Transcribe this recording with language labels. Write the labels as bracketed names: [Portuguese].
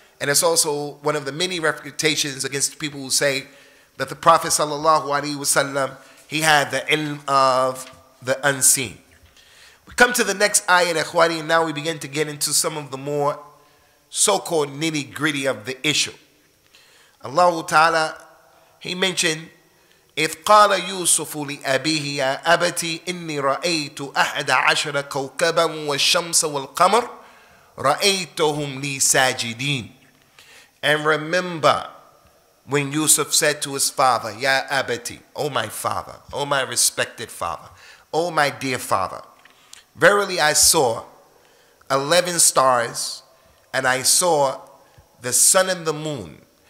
[English] And it's also one of the many refutations against people who say that the Prophet sallallahu alaihi wasallam, he had the ilm of the unseen. We come to the next ayat, ikhwani, and now we begin to get into some of the more so-called nitty-gritty of the issue. [Arabic] Allah Ta'ala, [English] he mentioned, [Arabic] إِذْ قَالَ يُوسُفُ لِأَبِيهِ يَا أَبَتِي إِنِّي رَأَيْتُ أَحَدَ عَشَرَ كَوْكَبًا وَالشَّمْسَ وَالْقَمَرِ رَأَيْتُهُمْ لِي سَاجِدِينَ. [English] And remember when Yusuf said to his father, [Arabic] يَا أَبَتِي, [English] O my father, O my respected father, O my dear father, verily I saw 11 stars and I saw the sun and the moon.